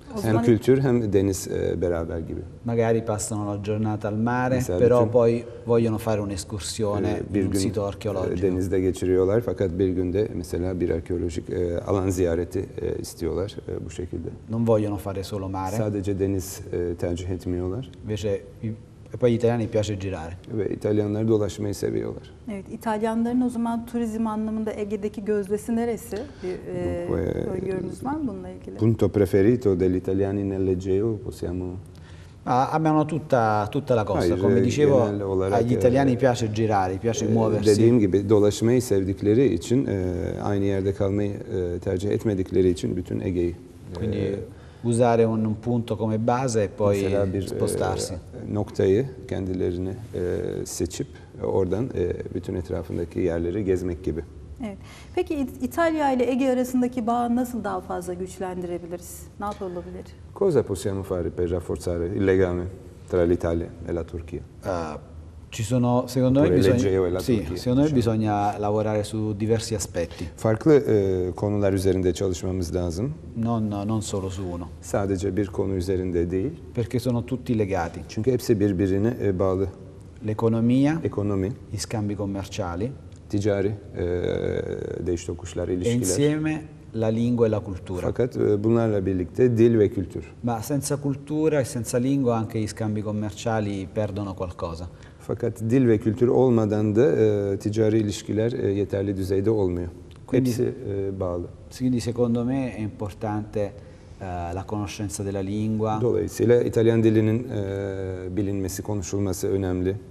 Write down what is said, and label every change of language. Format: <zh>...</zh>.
<tr>Hem kültür hem deniz beraber gibi.</tr> <it>Magari passano la giornata al mare,</it> <tr>mesela</tr> <it>però</it> <tr>bütün,</tr> <it>poi vogliono fare un'escursione in un sito archeologico.</it> <tr>Denizde geçiriyorlar fakat bir günde mesela bir arkeolojik alan ziyareti istiyorlar bu şekilde.</tr> <it>Non vogliono fare solo mare.</it> <tr>Sadece deniz tercih etmiyorlar.</tr> <it>Invece e poi gli italiani piace girare.</it> <tr>Ve İtalyanlar dolaşmayı seviyorlar. Evet, İtalyanların o zaman turizm anlamında Ege'deki gözdesi neresi? Öngörünüz var mı bununla ilgili?</tr> <it>Punto preferito degli italiani nell'Egeo possiamo. Abbiamo tutta la costa, come dicevo, agli italiani piace girare, piace muoversi.</it> <tr>Dediğim gibi dolaşmayı sevdikleri için aynı yerde kalmayı tercih etmedikleri için bütün Ege'yi.</tr> <it>Quindi usare un punto come base e poi spostarsi.</it> <tr>Noktayı kendilerini seçip oradan bütün etrafındaki yerleri gezmek gibi. Evet. Peki İtalya ile Ege arasındaki bağı nasıl daha fazla güçlendirebiliriz? Ne yapılabilir?</tr> <it>Cosa possiamo fare per rafforzare il legame tra l'Italia e la Turchia? Ci sono, secondo me, bisogna lavorare su diversi aspetti.</it> <tr>Farklı konular üzerinde çalışmamız lazım.</tr> <it>Non solo su uno.</it> <tr>Sadece bir konu üzerinde değil.</tr> <it>Perché sono tutti legati.</it> <tr>Çünkü hepsi birbirine bağlı.</tr> <it>L'economia.</it> <tr>Ekonomi.</tr> <it>I scambi commerciali.</it> <tr>Ticari. Değiş tokuşlar, ilişkiler.</tr> <it>Insieme la lingua e la cultura.</it> <tr>Fakat bunlarla birlikte dil ve kültür.</tr> <it>Ma senza cultura e senza lingua anche i scambi commerciali perdono qualcosa.</it> <tr>Fakat dil ve kültür olmadan da ticari ilişkiler yeterli düzeyde olmuyor.</tr> <it>Quindi,</it> <tr>hepsi bağlı.</tr> <it>Quindi secondo me è importante la conoscenza della lingua.</it> <tr>Dolayısıyla İtalyan dilinin bilinmesi, konuşulması önemli.</tr>